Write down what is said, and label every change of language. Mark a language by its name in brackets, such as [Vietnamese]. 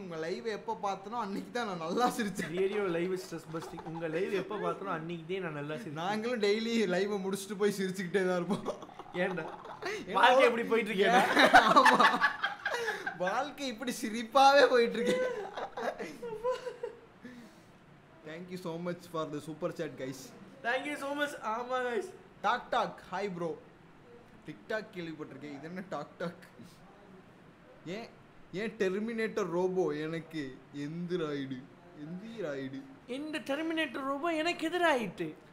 [Tamil] உங்க லைவ் எப்ப பார்த்தனோ அன்னைக்கு தான் நான் நல்லா சிரிச்சேன். [English] Really your live is stress busting. [Tamil] உங்க லைவ் எப்ப பார்த்தனோ அன்னைக்கு தான் நான் நல்லா சிரிச்சேன். நாங்களும் டெய்லி லைவ் முடிச்சிட்டு போய் சிரிச்சிட்டே தான் இருப்போம். ஏன்டா வாழ்க்கை இப்படி போயிட்டு இருக்கே? ஆமா, வாழ்க்கை இப்படி சிரிப்பாவே போயிட்டு இருக்கே. [English] Thank you so much for the super chat guys. Thank you so much. [Tamil] ஆமா [English] guys. [Tamil] Talk talk hi bro, TikTok கேள்விப்பட்டிருக்கேன். இது என்ன டாக் டாக்? ஏன் ஏன் டெர்மினேட்டர் ரோபோ எனக்கு எந்திராயிடு, எந்திராயிடு இந்த டெர்மினேட்டர் ரோபோ எனக்கு எதிராயிட்டு.